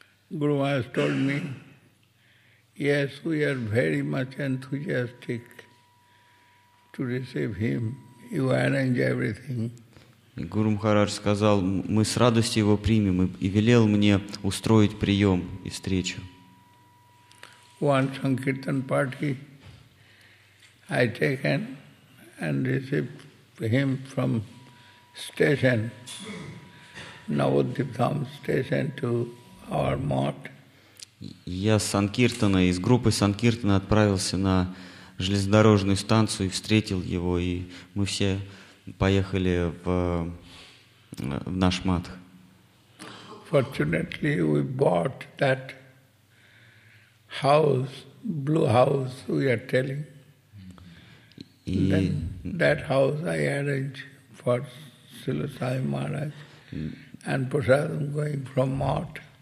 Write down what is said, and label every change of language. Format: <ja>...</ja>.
<en>Guru Maharaj told me, yes, we are very much enthusiastic to receive him. You arrange everything.</en> <ru>Гуру Махарадж сказал, мы с радостью его примем и велел мне устроить прием и встречу.</ru> <en>One sankirtan party I taken and received him from station, Navodip Dham station to our mot.</en> <ru>Я с Санкиртана, из группы Санкиртана отправился на железнодорожную станцию и встретил его, и мы все поехали в наш мат.</ru> <en>Fortunately, we bought that house, blue house, we are telling.</en> <ru>И</ru> <en>that house I arranged for Srila Sai Maharaj and Prasadam going from Mott.</en>